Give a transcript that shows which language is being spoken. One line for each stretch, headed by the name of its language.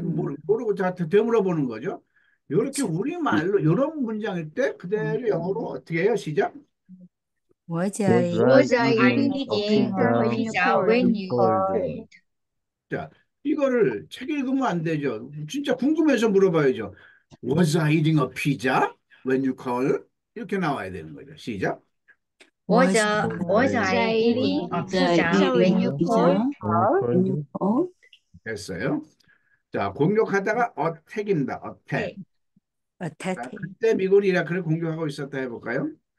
Korean: 모르고 저한테 되물어보는 거죠. 이렇게 그렇지. 우리말로 이런 문장일 때 그대로 영어로 어떻게 해요? 시작.
English: Was Was I I eating eating a a pizza pizza when you called? called?
Korean: 자, 이거를 책 읽으면 안 되죠. 진짜 궁금해서 물어봐야죠.
English: Was I eating a pizza when you called?
Korean: 이렇게 나와야 되는 거죠. 시작.
English: Was Was I I eating a pizza pizza when you called? eating a pizza when you called?
Korean: 됐어요. 자, 공격하다가 어택입니다. 어택. 네. Attack. 그때 미군이 이라크를 공격하고 있었다 해볼까요?